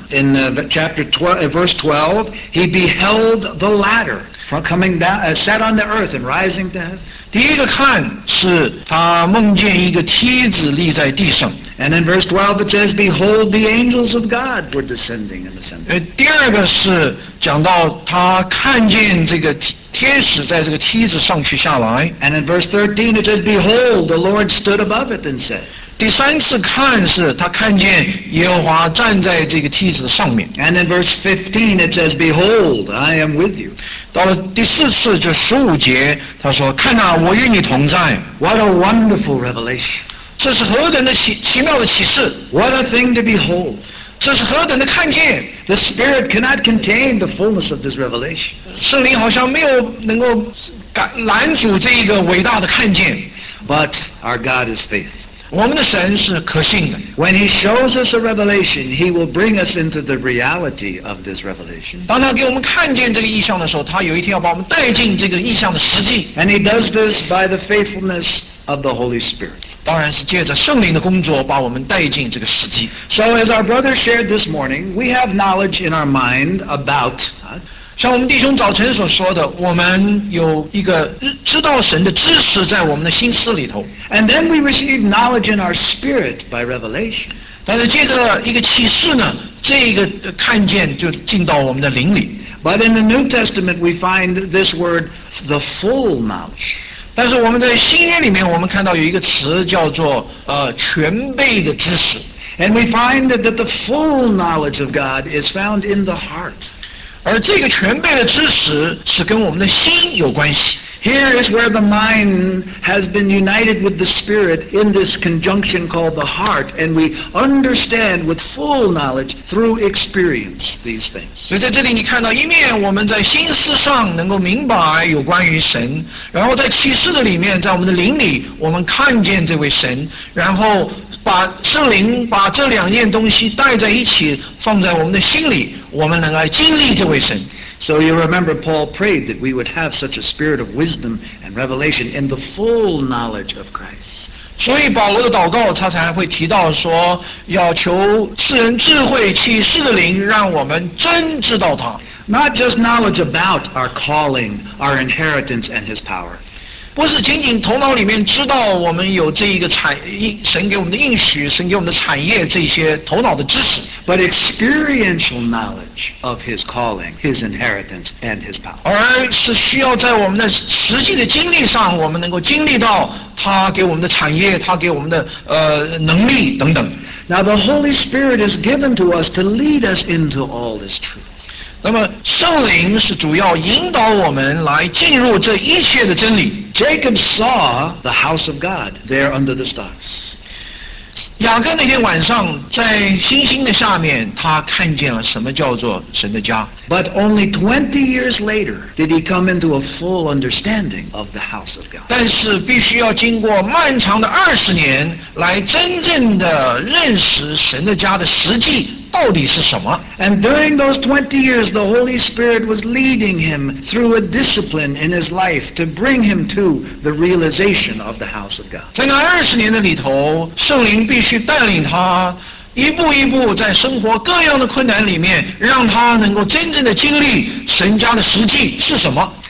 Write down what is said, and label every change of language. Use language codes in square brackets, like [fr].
[en] In chapter 12, verse 12, he beheld the ladder from coming down, set on the earth and rising to heaven. [zh] 第一个看是他梦见一个梯子立在地上。 [en] And in verse 12 it says, Behold, the angels of God were descending and ascending. [zh] 第二个是讲到他看见这个天使在这个梯子上去下来。 [en] And in verse 13 it says, Behold, the Lord stood above it and said. [zh] 第三次看是他看见耶和华站在这个梯子上面。 [en] And in verse 15 it says, Behold, I am with you. [zh] 到了第四次就十五节，他说，看啊，我与你同在。 [en] What a wonderful revelation. [zh] 这是何等的 奇妙的启示。 [en] What a thing to behold. [zh] 这是何等的看见。 [en] The Spirit cannot contain the fullness of this revelation. [zh] 圣灵好像没有能够拦阻这一个伟大的看见。 [en] But our God is faithful. [zh] 我们的神是可信的。 [en] When he shows us a revelation, he will bring us into the reality of this revelation. [zh] 当他给我们看见这个异象的时候，他有一天要把我们带进这个异象的实际。 [en] And he does this by the faithfulness of the Holy Spirit. [zh] 当然是借着圣灵的工作把我们带进这个实际。 [en] So as our brother shared this morning, we have knowledge in our mind about God. [zh] 像我们弟兄早晨所说的，我们有一个知道神的知识在我们的心思里头。 [en] And then we receive knowledge in our spirit by revelation. [zh] 但是接着一个启示呢，这个看见就进到我们的灵里。 [en] But in the New Testament we find this word, the full knowledge. [zh] 但是我们在新约里面，我们看到有一个词叫做全备的知识。 [en] And we find that the full knowledge of God is found in the heart. [zh] 而这个全备的知识是跟我们的心有关系。 [en] Here is where the mind has been united with the spirit in this conjunction called the heart, and we understand with full knowledge through experience these things. [zh] 所以在这里你看到一面，我们在心思上能够明白有关于神，然后在启示的里面，在我们的灵里，我们看见这位神，然后把圣灵把这两件东西带在一起，放在我们的心里，我们能来经历这位神。 [en] So you remember Paul prayed that we would have such a spirit of wisdom and revelation in the full knowledge of Christ. [zh] 所以保罗的祷告他才会提到说，要求赐人智慧启示的灵，让我们真知道他。 [en] Not just knowledge about our calling, our inheritance and his power. [zh] 不是仅仅头脑里面知道我们有这一个产神给我们的应许，神给我们的产业，这些头脑的知识。 [en] But experiential knowledge of his calling, his inheritance, and his power. [zh] 而是需要在我们的实际的经历上，我们能够经历到他给我们的产业，他给我们的能力等等。 [en] Now the Holy Spirit is given to us to lead us into all this truth. [zh] 那么圣灵是主要引导我们来进入这一切的真理。 [en] Jacob saw the house of God there under the stars. [zh] 雅各那天晚上在星星的下面，他看见了什么叫做神的家。 [en] But only 20 years later did he come into a full understanding of the house of God. [zh] 但是必须要经过漫长的20年来真正的认识神的家的实际。到底是什么? [en] And during those 20 years, the Holy Spirit was leading him through a discipline in his life to bring him to the realization of the house of God. [zh] 在那二十年的里头，圣灵必须带领他一步一步在生活各样的困难里面，让他能够真正的经历神家的实际是什么。